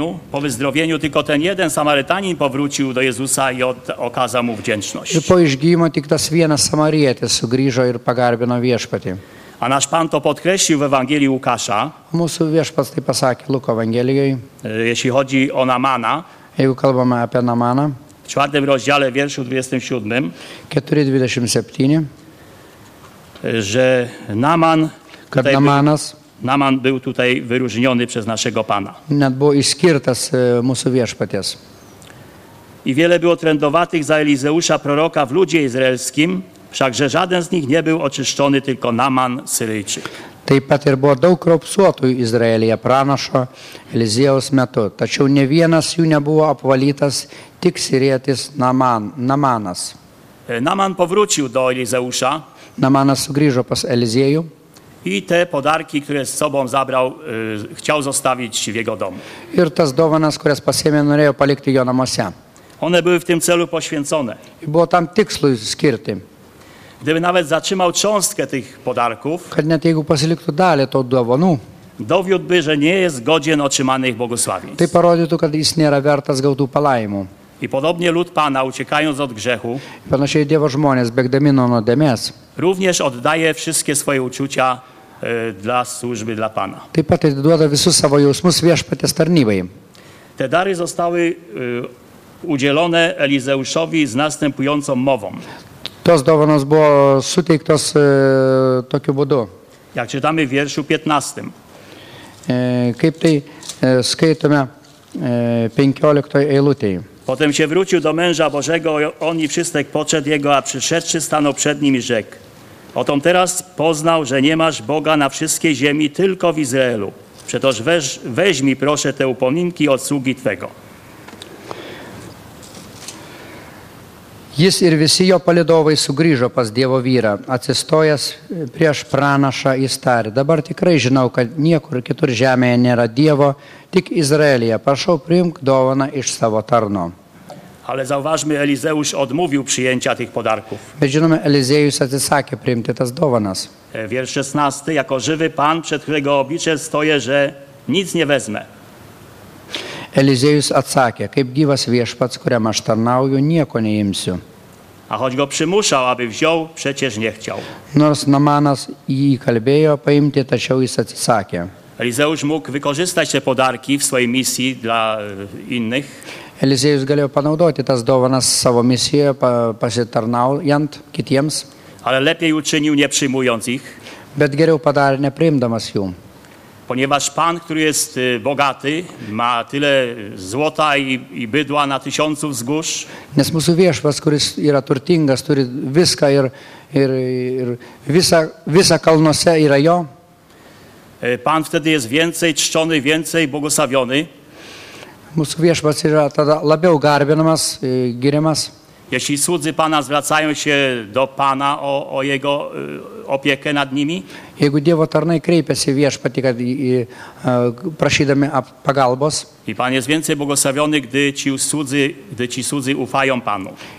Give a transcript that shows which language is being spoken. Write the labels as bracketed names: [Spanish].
[Polish] Po wyzdrowieniu tylko ten jeden Samarytanin powrócił do Jezusa i okazał mu wdzięczność. [Lithuanian] I po išgyjimo tik tas vienas samarietis sugrįžo ir pagarbino viešpatį. [Polish] A nasz Pan to podkreślił w Ewangelii Łukasza. [Lithuanian] Mūsų viešpats tai pasakė Luko Evangelijoj. [Polish] Jeśli chodzi o Namana. [Lithuanian] Jeigu kalbame apie Namaną. [Polish] W 4 rozdziale wierszu 27. [Lithuanian] 4:27. [Polish] Że Naman. [Lithuanian] Kad Namanas. [Polish] Naman był tutaj wyróżniony przez naszego Pana. [Lithuanian] Net buvo išskirtas mūsų viešpaties. [Polish] I wiele było trędowatych za Elizeusza, proroka w ludzie izraelskim, wszakże żaden z nich nie był oczyszczony, tylko Naman Syryjczyk. [Lithuanian] Taip pat ir buvo daug raupsuotųjų Izraelyje pranašo Elizėjaus metu, tačiau ne vienas jų nebuvo apvalytas, tik sirietis Namanas. [Polish] Naman powrócił do Elizeusza. [Lithuanian] Namanas sugrįžo pas Elizėjų. [Polish] I te podarki, które z sobą zabrał, chciał zostawić w jego domu. [Lithuanian] Ir tas dovanas, kurias pasiėmė, norėjo palikti jo namuose. [Polish] One były w tym celu poświęcone. [Lithuanian] I buvo tam tikslui skirti. [Polish] gdyby nawet zatrzymał cząstkę tych podarków, [Lithuanian] net jego pasiliktų dalį to dovanų, [Polish] dowiódłby, że nie jest godzien otrzymanych błogosławieństw. [Lithuanian] Tai parodytų, kad jis nėra vertas gautų palaimų. [Polish] I podobnie lud Pana, uciekając od grzechu, [Lithuanian] panašiai Dievo žmonės, bėgdami nuo nuodėmės, [Polish] również oddaje wszystkie swoje uczucia dla służby dla Pana. [Lithuanian] Taip pat atiduoda visus savo jausmus viešpaties tarnybai. [Polish] Te dary zostały udzielone Elizeuszowi z następującą mową. [Lithuanian] Tos dovanos buvo suteiktos tokiu būdu. [Polish] Jak czytamy w wierszu 15. [Lithuanian] Kaip tai skaitome 15 eilutėje. [Polish] Potem się wrócił do męża Bożego, on i wszystek poczet jego, a przyszedłszy stanął przed nim i rzekł: Oto teraz poznał, że nie masz Boga na wszystkiej ziemi, tylko w Izraelu. Przetoż weź mi proszę te upominki od sługi Twego. [Lithuanian] Jis ir visi jo palidovai sugrįžo pas Dievo vyrą, atsistojęs prieš pranašą jis tarė. Dabar tikrai žinau, kad niekur kitur žemėje nėra Dievo, tik Izraelyje. Prašau, priimk dovaną iš savo tarno. [Polish] Ale zauważmy, Elizeusz odmówił przyjęcia tych podarków. [Lithuanian] Bet žinome, Elizeus atsisakė priimti tas dovanas. [Polish] Wiersz 16, jako żywy pan, przed którego oblicze stoję, że nic nie wezmę. [Lithuanian] Elizėjus atsakė, kaip gyvas viešpats, kuriam aš tarnauju, nieko neimsiu. [Polish] A choć go przymuszał, aby wziął, przecież nie chciał. [Lithuanian] Nors Namanas jį kalbėjo paimti, tačiau jis atsisakė. [Polish] Elizėjus mógł wykorzystać te podarki w swojej misji dla innych. [Lithuanian] Elizėjus galėjo panaudoti tas dovanas savo misijoje, pasitarnaujant kitiems. [Polish] Ale lepiej uczynił, nie przyjmując ich. [Lithuanian] Bet geriau padarė, nepriimdamas jų. [Polish] Ponieważ Pan, który jest bogaty, ma tyle złota i bydła na tysiąców zgórz. [Lithuanian] Nes mūsų viešpas, kuris yra turtingas, turi viską ir visa kalnose yra jo. [Polish] Pan wtedy jest więcej czczony, więcej błogosławiony. [Lithuanian] Mūsų viešpas yra tada labiau garbinamas, giriamas. [Polish] Jeśli słudzy Pana zwracają się do Pana o jego opiekę nad nimi. [Lithuanian] Jeigu Dievo tarnai kreipiasi viešpatį, kad prašydami pagalbos. [Polish] I Pan jest więcej błogosławiony, gdy ci słudzy ufają Panu.